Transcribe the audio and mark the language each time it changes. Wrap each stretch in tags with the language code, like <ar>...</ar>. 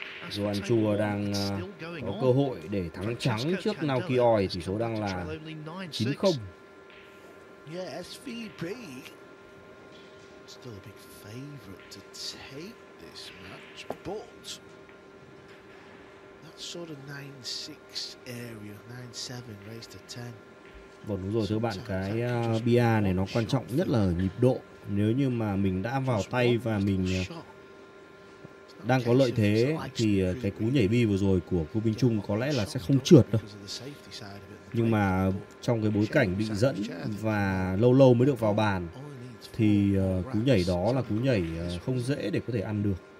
<vi>Joan Chua đang có cơ hội để thắng trắng trước Naoki Oi, tỷ số đang là 9-0.</vi> <en>SVB still a big favorite to take this match, but that sort of 9-6 area, 9-7 raised to 10.</en> <vi>Vâng, đúng rồi thưa bạn, cái BA này nó quan trọng nhất là nhịp độ. Nếu như mà mình đã vào tay và mình đang có lợi thế thì cái cú nhảy bi vừa rồi của Cú Bình Trung có lẽ là sẽ không trượt đâu. Nhưng mà trong cái bối cảnh bị dẫn và lâu lâu mới được vào bàn thì cú nhảy đó là cú nhảy không dễ để có thể ăn được.</vi>